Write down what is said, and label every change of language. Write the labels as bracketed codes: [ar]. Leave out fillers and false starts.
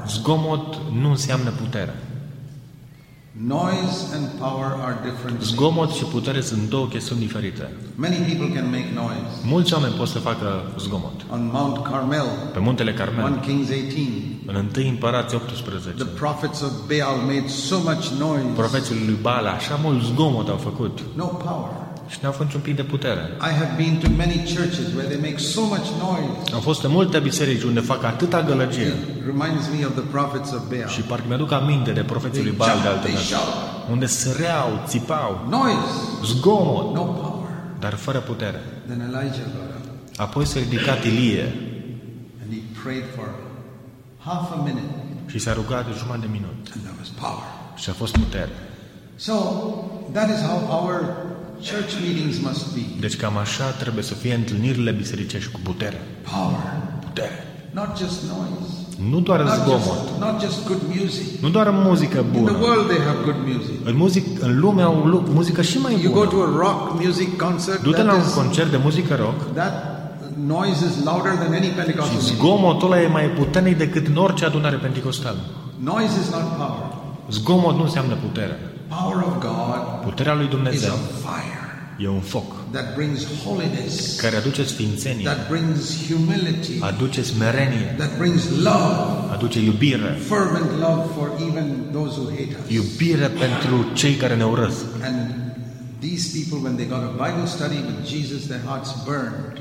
[ro] Zgomot nu înseamnă putere. [en] Noise and power are different. [ro] Zgomot și putere sunt două chestiuni diferite. [en] Many people can make noise. [ro] Mulți oameni pot să facă zgomot. [en] On Mount Carmel. [ro] Pe muntele Carmel. [en] 1 Kings 18. [ro] În 1 Împărați 18. [en] The prophets of Baal made so much noise. [ro] Profeții lui Baal așa mult zgomot au făcut. [en] No power. [ro] Și n-au fost un pic de putere. [en] I have been to many churches where they make so much noise. [ro] Am fost în multe biserici unde fac atâta gălăgie. [en] It reminds me of the prophets of Baal. [ro] Și parcă mi-aduc aminte de profeții lui Baal de altă dată. Unde săreau, țipau. [en] Noise. [ro] Zgomot. [en] No power. [ro] Dar fără putere. [en] Then Elijah got up. [ro] Apoi s-a ridicat Ilie. [en] And he prayed for half a minute. [ro] Și s-a rugat jumătate de minut. [en] And there was power. [ro] Și a fost putere. [en] So that is how our church meetings must be. [ro] Deci cam așa trebuie să fie întâlnirile bisericești, cu putere. [en] Power. [ro] Putere. [en] Not just noise. [ro] Nu doar zgomot. [en] Not just good music. [ro] Nu doar muzică bună. [en] In the world they have good music. [ro] În lume au muzică și mai bună. [en] You go to a rock music concert. [ro] Du-te la un concert de muzică rock. [en] That noise is louder than any Pentecostal. [ro] Și zgomotul ăla e mai puternic decât în orice adunare pentecostală. [en] Noise is not power. [ro] Zgomot nu înseamnă putere. [en] Power of God. [ro] Puterea lui Dumnezeu. [en] Is a fire. [ro] E un foc. [en] That brings holiness. [ro] Care aduce sfințenie. [en] That brings humility. [ro] Aduce smerenie. [en] That brings love. [ro] Aduce iubire. [en] Fervent love for even those who hate us. [ro] Iubire pentru cei care ne urăsc. [en] And these people when they got a Bible study with Jesus their hearts burned.